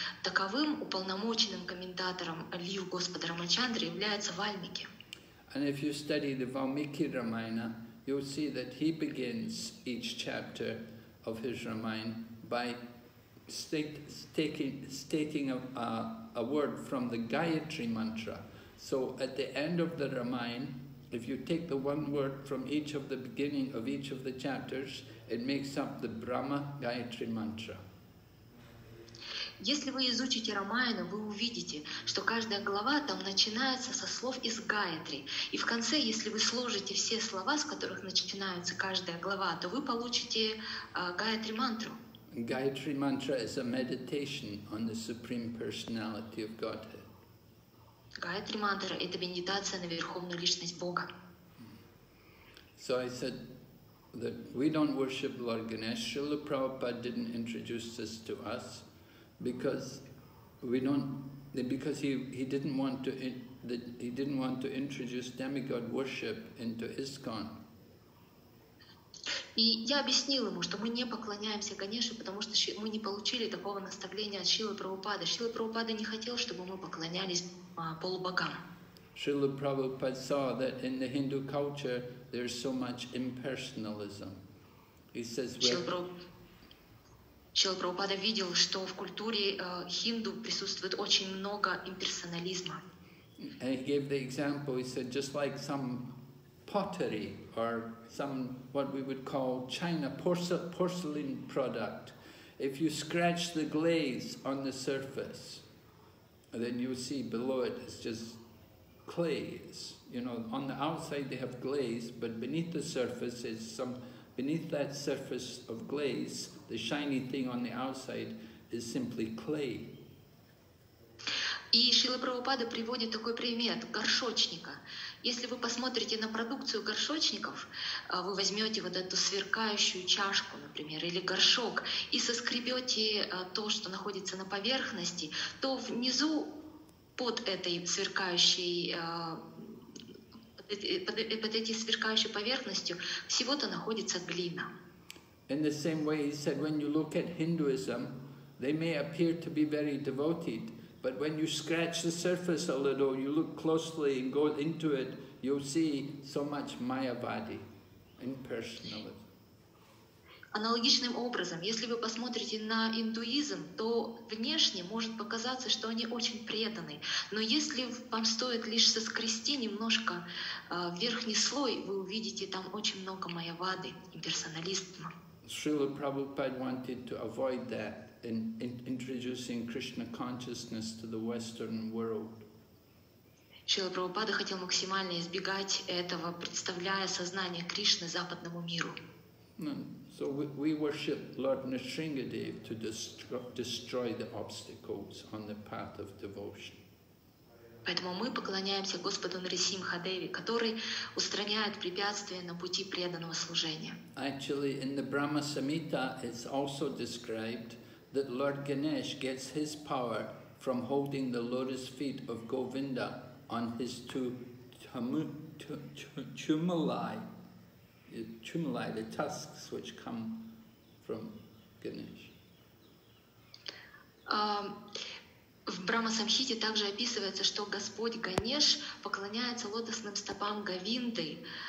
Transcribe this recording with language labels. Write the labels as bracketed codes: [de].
[ru] Таковым уполномоченным комментатором лил Господа Рамачандры является Вальмики. [en] And if you study the Valmiki Ramayana, you'll see that he begins each chapter of his Ramayana by stating a word from the Gayatri Mantra. So at the end of the Ramayana, if you take the one word from each of the beginning of each of the chapters, it makes up the Brahma Gayatri Mantra. [ru] Если вы изучите Рамаяну, вы увидите, что каждая глава там начинается со слов из Гаятри. И в конце, если вы сложите все слова, с которых начинается каждая глава, то вы получите Гаятри мантру. [en] Гаятри мантра is a meditation on the Supreme Personality of Godhead. [ru] Гаятри мантра — это медитация на Верховную Личность Бога. [en] So I said that we don't worship Lord Ganesh. Srila Prabhupada didn't introduce this to us. Because he didn't want to introduce demigod worship into ISKCON. [ru] И я объяснил ему, что мы не поклоняемся Ганеше, потому что мы не получили такого наставления от Шрилы Прабхупады. Шрила Прабхупада не хотел, чтобы мы поклонялись полубогам. [en] Шрила Прабхупада saw that in the Hindu culture there's so much impersonalism. He says [ru] Шрила Прабхупада видел, что в культуре хинду присутствует очень много имперсонализма. [en] And he gave the example, he said, just like some pottery or some what we would call china porcelain product, if you scratch the glaze on the surface, then you see below it is just clay. You know, on the outside they have glaze, but beneath the surface is some, beneath that surface of glaze, the shiny thing on the outside is simply clay. [ru] И Шрила Прабхупада приводит такой пример горшочника. Если вы посмотрите на продукцию горшочников, вы возьмете вот эту сверкающую чашку, например, или горшок, и соскребете то, что находится на поверхности, то внизу под этой сверкающей сверкающей поверхностью всего-то находится глина. [en] In the same way, he said, when you look at Hinduism, they may appear to be very devoted, but when you scratch the surface a little, you look closely and go into it, you'll see so much Mayavadi, impersonalism. [ru] Аналогичным образом, если вы посмотрите на индуизм, то внешне может показаться, что они очень преданы. Но если вам стоит лишь соскрести немножко верхний слой, вы увидите там очень много Mayavadi, имперсонализма. [en] Srila Prabhupada wanted to avoid that in introducing Krishna consciousness to the Western world. [ru] Srila Prabhupada хотел максимально избегать этого, представляя сознание Кришны западному миру. [en] So we worship Lord Nrisingadev to destroy the obstacles on the path of devotion. [ru] Поэтому мы поклоняемся Господу Нарисимхадеве, который устраняет препятствия на пути преданного служения. [en] Actually, in the Brahma Samhita, it's also described that Lord Ganesh gets his power from holding the lotus feet of Govinda on his two chumalai, the tusks which come from Ganesh. [ru] В Брахма-самхите также описывается, что Господь Ганеш поклоняется лотосным стопам Говинды.